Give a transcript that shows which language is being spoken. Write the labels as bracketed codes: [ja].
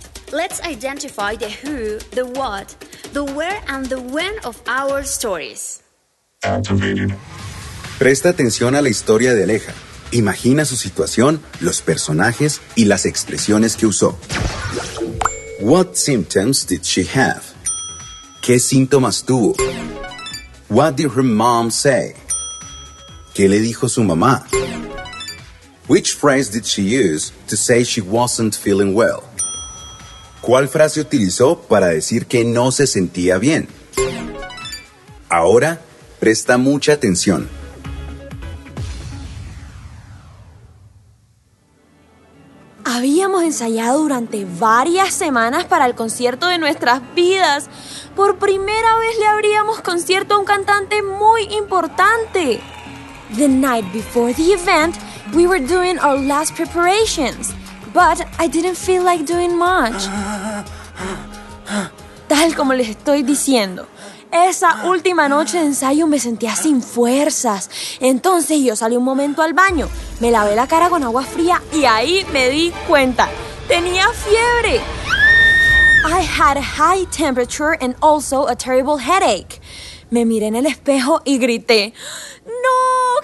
[en] Let's identify the who, the what, the where, and the when of our stories. [es] Presta atención a la historia de Aleja. Imagina su situación, los personajes y las expresiones que usó. [en] What symptoms did she have? [es] ¿Qué síntomas tuvo? [en] What did her mom say? [es] ¿Qué le dijo su mamá? [en] Which phrase did she use to say she wasn't feeling well? [es] ¿Cuál frase utilizó para decir que no se sentía bien? Ahora, presta mucha atención. Habíamos ensayado durante varias semanas para el concierto de nuestras vidas. Por primera vez le abríamos concierto a un cantante muy importante. [en] The night before the event, we were doing our last preparations. But I didn't feel like doing much. [es] Tal como les estoy diciendo, esa última noche de ensayo me sentía sin fuerzas. Entonces yo salí un momento al baño, me lavé la cara con agua fría y ahí me di cuenta. ¡Tenía fiebre! [en] I had a high temperature and also a terrible headache. [es] Me miré en el espejo y grité, ¡no!